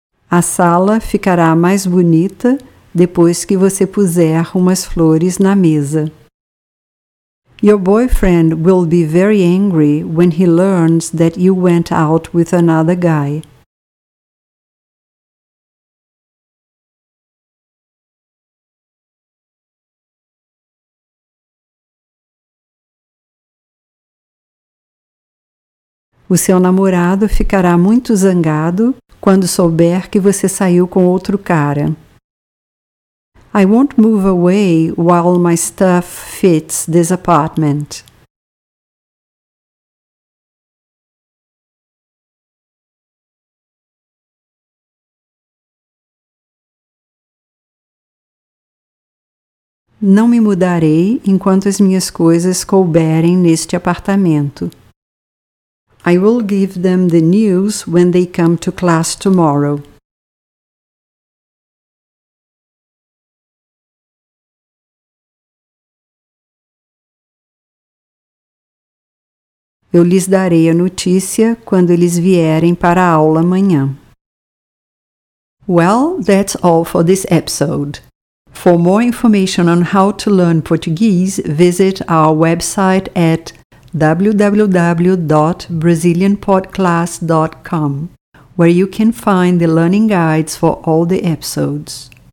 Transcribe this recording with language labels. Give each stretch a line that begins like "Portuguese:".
Portuguese: A sala ficará mais bonita depois que você puser umas flores na mesa.
English: Your boyfriend will be very angry when he learns that you went out with another guy.
Portuguese: O seu namorado ficará muito zangado quando souber que você saiu com outro cara.
English: I won't move away while my stuff fits this apartment.
Portuguese: Não me mudarei enquanto as minhas coisas couberem neste apartamento.
English: I will give them the news when they come to class tomorrow.
Portuguese: Eu lhes darei a notícia quando eles vierem para a aula amanhã.
English: Well, that's all for this episode. For more information on how to learn Portuguese, visit our website at www.brazilianpodclass.com, where you can find the learning guides for all the episodes.